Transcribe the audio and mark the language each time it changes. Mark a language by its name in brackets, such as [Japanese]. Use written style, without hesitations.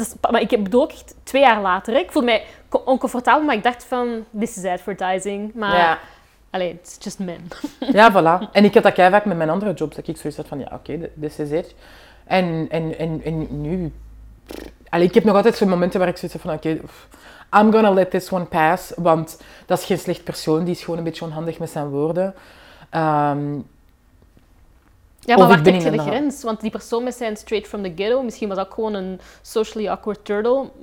[Dutch] Maar ik bedoel ook echt 2 jaar later, ik voelde mij oncomfortabel, maar ik dacht van, [English] this is advertising, [Dutch] maar... Ja. Alleen, [English] it's just men. [Dutch] Ja, voilà. En ik had dat keivaak met mijn andere jobs. Dat ik zoiets had van, [English] this is it. [Dutch] En nu... Allee, ik heb nog altijd zo'n momenten waar ik zoiets van, [English] I'm gonna let this one pass. [Dutch] Want dat is geen slecht persoon. Die is gewoon een beetje onhandig met zijn woorden. Maar waar heb je de grens? Want die persoon met zijn straight from the ghetto, misschien was dat gewoon een [English] socially awkward turtle.